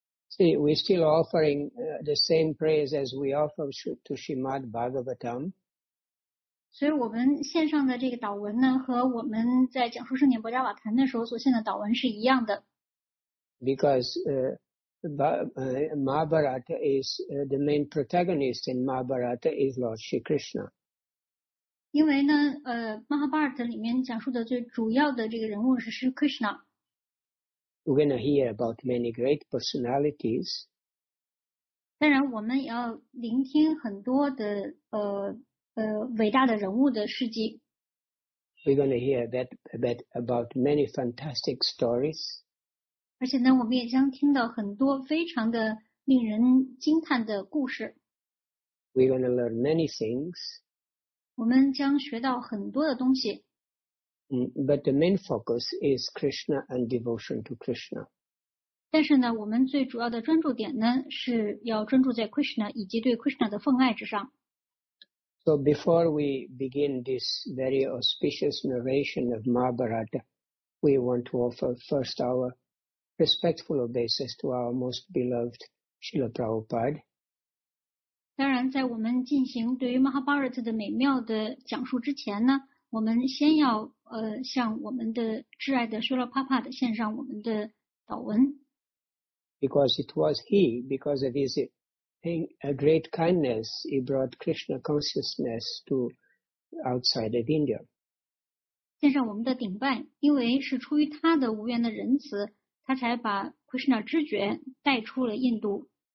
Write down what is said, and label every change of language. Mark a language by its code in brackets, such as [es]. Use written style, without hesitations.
[en] See, we're still offering the same praise as we offer to Srimad Bhagavatam. [zh] 所以我们线上的这个祷文呢，和我们在讲述圣贤波迦瓦坛的时候所献的祷文是一样的。 [en] Because Mahabharata is the main protagonist, and Mahabharata is Lord Shri Krishna. [zh] 因为呢，Mahabharata 里面讲述的最主要的这个人物是 Shri Krishna。 [en] We're going to hear about many great personalities. [zh] 当然，我们也要聆听很多的伟大的人物的事迹。 [en] We're going to hear that about many fantastic stories. [zh] 而且呢，我们也将听到很多非常的令人惊叹的故事。 [en] We're going to learn many things. [zh] 我们将学到很多的东西。 [en] But the main focus is Krishna and devotion to Krishna. [zh] 但是呢，我们最主要的专注点呢，是要专注在 Krishna 以及对 Krishna 的奉爱之上。 [en] So before we begin this very auspicious narration of Mahabharata, we want to offer first our respectful obeisance to our most beloved Srila Prabhupada. [zh] 当然，在我们进行对于 Mahabharata 的美妙的讲述之前呢，我们先要向我们的挚爱的 Srila Prabhupada 献上我们的祷文。 [en] Because it was he, because of his great kindness, he brought Krishna consciousness to outside of India. [zh] 献上我们的顶拜，因为是出于他的无缘的仁慈，他才把 Krishna 知觉带出了印度。